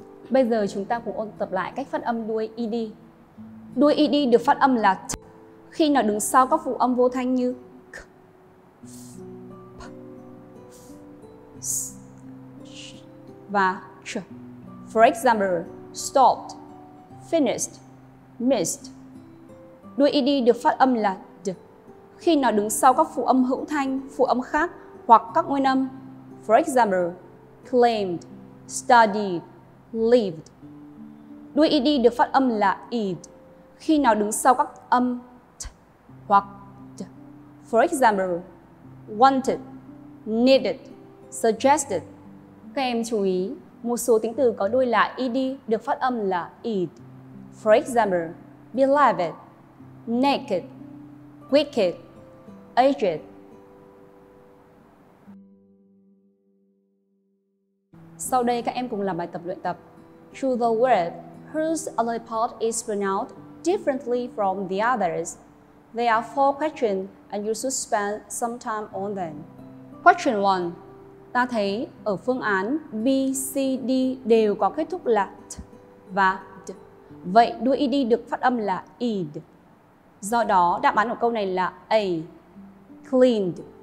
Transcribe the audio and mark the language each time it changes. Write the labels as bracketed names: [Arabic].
[Vietnamese] Bây giờ chúng ta cùng ôn tập lại cách phát âm đuôi ED. Đuôi ED được phát âm là T khi nó đứng sau các phụ âm vô thanh như K, P, S và Ch. [English] For example, stopped, finished, missed. [Vietnamese] Đuôi ED được phát âm là D khi nó đứng sau các phụ âm hữu thanh, phụ âm khác hoặc các nguyên âm. [English] For example, claimed, studied, lived. [Vietnamese] Đuôi ED được phát âm là ED khi nó đứng sau các âm T hoặc D. [English] For example, wanted, needed, suggested. [Vietnamese] Các em chú ý, một số tính từ có đuôi là ED được phát âm là ED. [English] For example, beloved, naked, wicked, aged. [Vietnamese] Sau đây các em cùng làm bài tập luyện tập. [English] Choose the word whose anal part is pronounced differently from the others. There are 4 questions and you should spend some time on them. Question 1. [Vietnamese] Ta thấy ở phương án B, C, D đều có kết thúc là T và D. Vậy đuôi ED được phát âm là ED. Do đó, đáp án của câu này là A. [English] Cleaned.